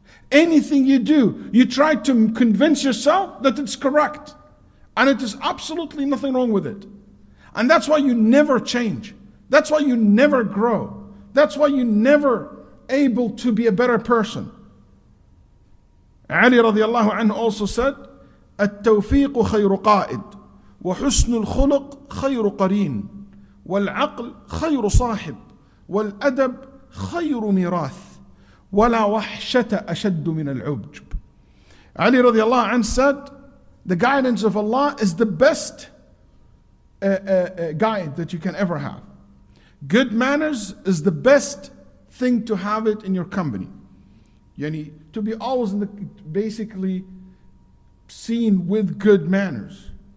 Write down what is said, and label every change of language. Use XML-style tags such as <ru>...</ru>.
<en>Anything you do, you try to convince yourself that it's correct. And it is absolutely nothing wrong with it. And that's why you never change. That's why you never grow. That's why you never able to be a better person.</en> <ar>Ali radiallahu anhu also said, التوفيق خير قائد وحسن الخلق خير قرين والعقل خير صاحب والأدب خير ميراث ولا وحشة أشد من العجب.</ar> <en>Ali radiallahu anhu said, the guidance of Allah is the best guide that you can ever have. Good manners is the best thing to have it in your company. Yani, to be always in the, basically seen with good manners.</en>